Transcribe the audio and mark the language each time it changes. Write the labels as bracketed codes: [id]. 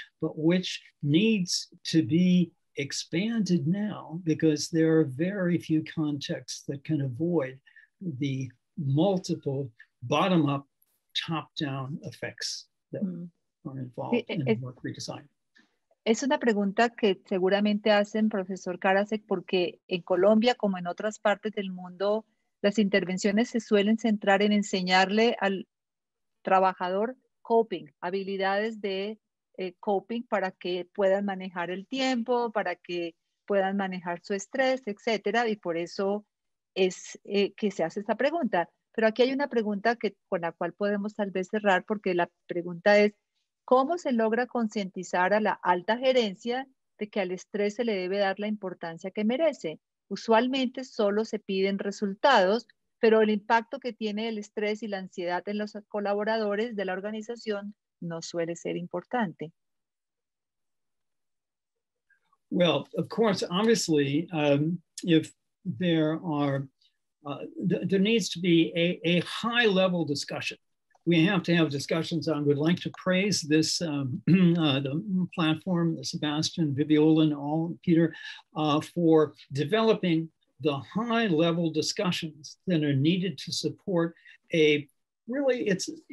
[en] but which needs to be expanded now because there are very few contexts that can avoid the multiple bottom-up, top-down effects that are involved in work redesign. [es] Es una pregunta que seguramente hacen, profesor Karasek, porque en Colombia, como en otras partes del mundo, las intervenciones se suelen centrar en enseñarle al trabajador coping, habilidades de coping para que puedan manejar el tiempo, para que puedan manejar su estrés, etcétera, y por eso es que se hace esta pregunta. Pero aquí hay una pregunta que, con la cual podemos tal vez cerrar, porque la pregunta es, ¿cómo se logra concientizar a la alta gerencia de que al estrés se le debe dar la importancia que merece? Usualmente solo se piden resultados, pero el impacto que tiene el estrés y la ansiedad en los colaboradores de la organización no suele ser importante. [en] Well, of course, obviously, if there are, there needs to be a high level discussion. We have to have discussions. I would like to praise this, the platform, Sebastian, Viviola, all, Peter, for developing the high level discussions that are needed to support a really, it's